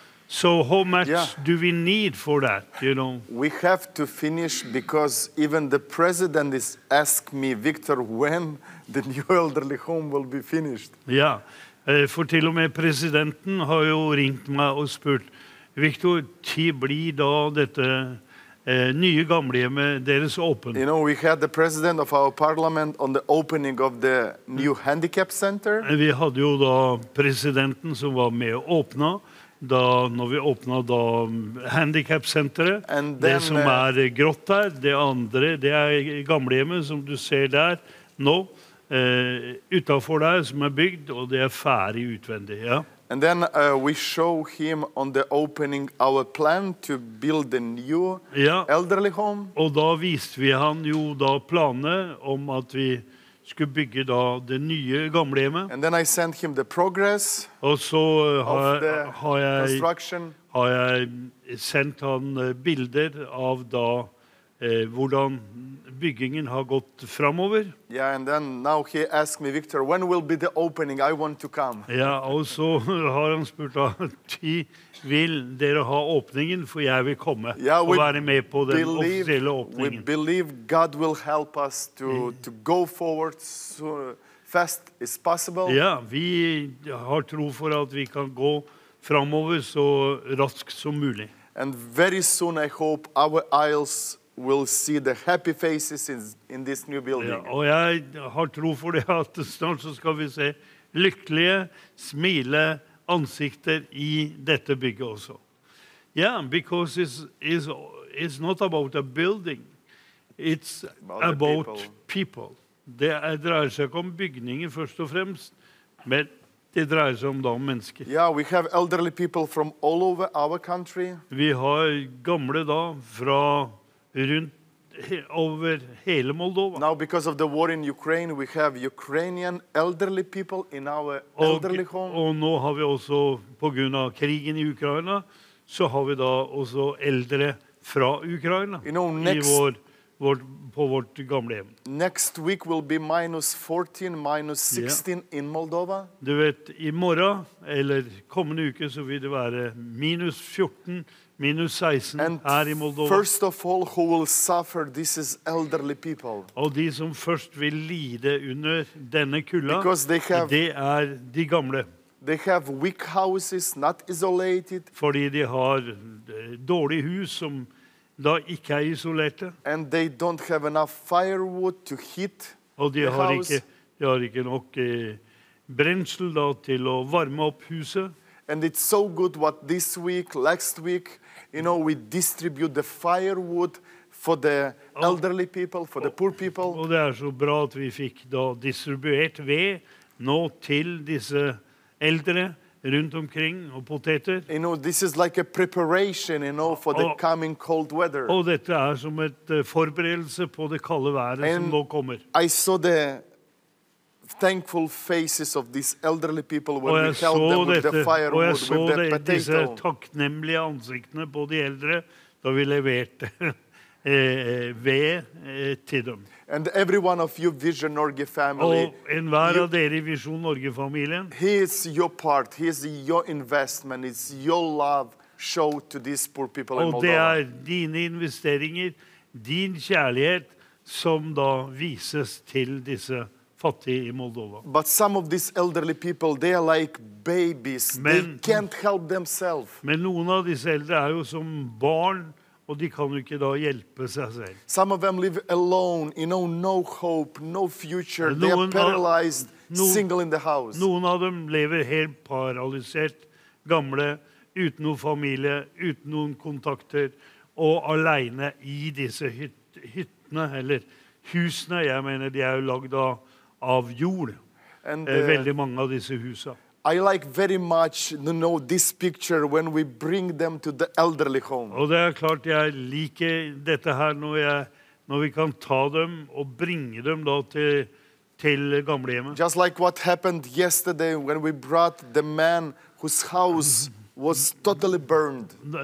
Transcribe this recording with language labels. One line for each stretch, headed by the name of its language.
English: So how much do we need for that, you know? We have to finish because even the president is asking me, Victor, when the new elderly home will be finished.
Norwegian: Yeah, for til og med presidenten har jo ringt meg og spurt, Victor, tid blir da dette nye gamle hjemmet deres åpen?
English: You know, we had the president of our parliament on the opening of the new handicap center.
Norwegian: Vi hadde jo da presidenten som var med å åpne, da når vi åpnet da handicap-senteret, det som grått der, det andre, det gamle hjemmet som du ser der nå, utenfor der som bygd, og det ferdig utvendig, ja.
English: And then we show him on the opening our plan to build a new elderly home.
Norwegian: Og da viste vi han jo da planen om at vi skulle bygge da det nye gamle hjemmet.
English: And then I sent him the progress of the construction.
Norwegian: Har jeg sendt han bilder av da hvordan byggingen har gått framover.
English: Yeah, and then now he asked me, Victor, when will be the opening? I want to come.
Norwegian: Ja, og så har han spurt da, vil dere ha åpningen, for jeg vil komme og være med på den offisielle åpningen.
English: We believe God will help us to go forward so fast as possible.
Norwegian: Ja, vi har tro for at vi kan gå framover så raskt som mulig.
English: And very soon I hope our aisles will see the happy faces in this new building.
Norwegian: Ja, og jeg har tro for det at snart så skal vi se lykkelige, smile ansikter I dette bygget også.
English: Yeah, because it's not about a building. It's about people.
Norwegian: Det dreier seg om bygninger først og fremst, men det dreier seg om da mennesker.
English: Yeah, we have elderly people from all over our country.
Norwegian: Vi har gamle da fra rundt over hele Moldova.
English: Now because of the war in Ukraine, we have Ukrainian elderly people in our elderly home.
Norwegian: Og nå har vi også på grunn av krigen I Ukraina, så har vi da også eldre fra Ukraina på vårt gamle hjem.
English: Next week will be -14, -16 in Moldova.
Norwegian: Du vet, I morgen eller kommende uke så vil det være -14. Minus 16 her I Moldova.
English: And first of all, who will suffer, this is elderly people.
Norwegian: Og de som først vil lide under denne kulla, det de gamle.
English: They have weak houses, not isolated.
Norwegian: Fordi de har dårlig hus som da ikke isolerte.
English: And they don't have enough firewood to heat the house.
Norwegian: Og de har ikke nok brensel da til å varme opp huset.
English: And it's so good what this week, last week, you know, we distribute the firewood for the elderly people, for the poor people.
Norwegian: Og det så bra at vi fikk da distribuert ved nå til disse eldre rundt omkring og poteter.
English: You know, this is like a preparation, you know, for the coming cold weather.
Norwegian: Og dette som et forberedelse på det kalde været som nå kommer.
English: I saw the thankful faces of these elderly people when we held them with the firewood, with the potato.
Norwegian: Og jeg så disse takknemlige ansiktene på de eldre da vi leverte ved til dem.
English: And every one of you Vision Norge family.
Norwegian: Og enhver av dere I Vision Norge-familien.
English: He is your part. He is your investment. It's your love show to these poor people in Moldova.
Norwegian: Og det dine investeringer, din kjærlighet, som da vises til disse fattige I Moldova.
English: But some of these elderly people, they are like babies. Men, they can't help themselves.
Norwegian: Men noen av disse eldre jo som barn, og de kan jo ikke da hjelpe seg selv.
English: Some of them live alone, you know, no hope, no future. They are paralyzed, single in the house.
Norwegian: Noen av dem lever helt paralysert, gamle, uten noen familie, uten noen kontakter, og alene I disse hyttene, eller husene, jeg mener, de jo laget av av jord, and, veldig mange av disse husene.
English: I like very much to know this picture when we bring them to the elderly home.
Norwegian: Og det klart jeg liker dette her når vi kan ta dem og bringe dem da til gamlehjemmet.
English: Just like what happened yesterday when we brought the man whose house was totally burned.